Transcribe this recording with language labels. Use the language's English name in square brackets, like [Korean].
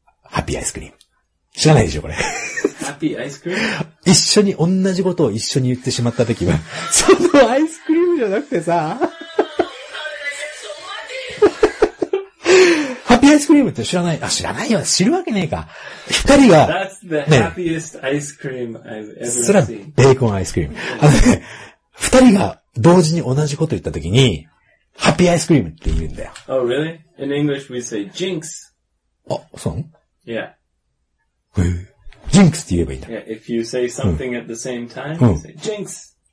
[English] Happy ice cream. [Japanese] 知らないでしょ、これ。ハッピーアイスクリーム一緒に、同じことを一緒に言ってしまったときは、そのアイスクリームじゃなくてさ、ハッピーアイスクリームって知らない、あ、知らないよ、知るわけねえか。二人が、 [English] That's the happiest ice cream I've ever seen. [Japanese] それはベーコンアイスクリーム。あのね、二人が同時に同じこと言ったときに、ハッピーアイスクリームって言うんだよ。 [English] Oh, really? In English we say jinx. [Japanese] あ、そう [English] Yeah. [Japanese] ジンクスって言えばいいんだ。 [English] Yeah, if you say something at the same time,、うん、you say jinx.